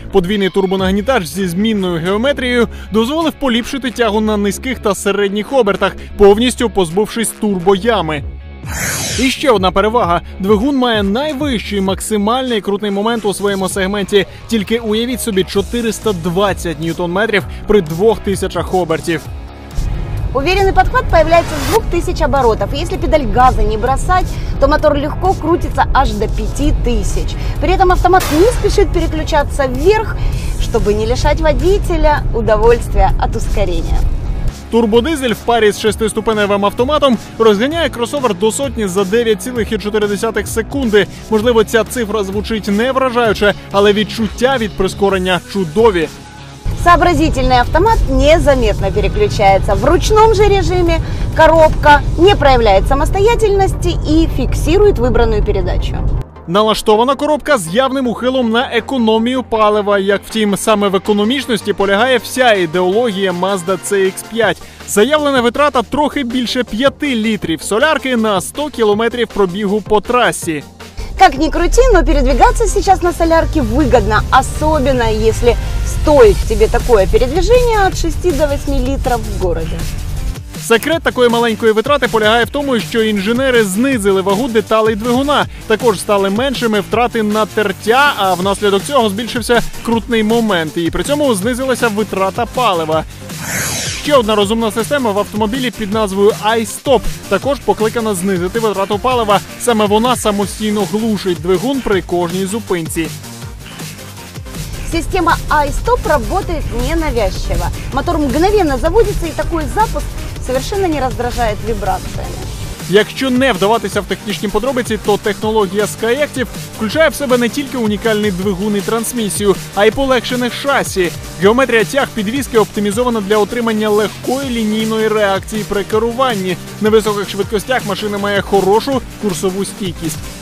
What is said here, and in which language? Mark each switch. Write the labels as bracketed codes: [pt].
[uk] Подвійний турбонагнітач зі змінною геометрією дозволив поліпшити тягу на низьких та середніх обертах, повністю позбувшись турбоями. І ще одна перевага. Двигун має найвищий максимальний крутний момент у своєму сегменті. Тільки уявіть собі 420 ньютон-метрів при 2000 обертів. [ru] Уверенный подход появляется с 2000 оборотов. Если педаль газа не бросать, то мотор легко крутится аж до 5000. При этом автомат не спешит переключаться вверх, чтобы не лишать водителя удовольствия от ускорения. [uk] Турбодизель в парі з шестиступеневим автоматом розганяє кросовер до сотні за 9,4 секунди. Можливо, ця цифра звучить не вражаюче, але відчуття від прискорення чудові. [ru] Сообразительный автомат незаметно переключается. В ручном же режиме коробка не проявляет самостоятельности и фиксирует выбранную передачу. [uk] Налаштована коробка з явним ухилом на економію палива, як втім саме в економічності полягає вся ідеологія Mazda CX-5. Заявлена витрата трохи більше 5 літрів солярки на 100 кілометрів пробігу по трасі. [ru] Как ни крути, но передвигаться сейчас на солярке выгодно, особенно если стоит тебе такое передвижение от 6 до 8 литров в городе. [uk] Секрет такої маленької витрати полягає в тому, що інженери знизили вагу деталей двигуна. Також стали меншими втрати на тертя, а внаслідок цього збільшився крутний момент. І при цьому знизилася витрата палива. Ще одна розумна система в автомобілі під назвою iStop також покликана знизити витрату палива. Саме вона самостійно глушить двигун при кожній зупинці. Система iStop працює ненавязчиво. [ru] Мотор мгновенно [uk] заводиться і такий запуск [ru] совершенно не раздражает вибрациями. [uk] Якщо не вдаватися в технічні подробиці, то технологія SkyActiv включає в себе не тільки унікальний двигун і трансмісію, а й полегшене шасі. Геометрія тяг підвіски оптимізована для отримання легкої лінійної реакції при керуванні. На високих швидкостях машина має хорошу курсову стійкість.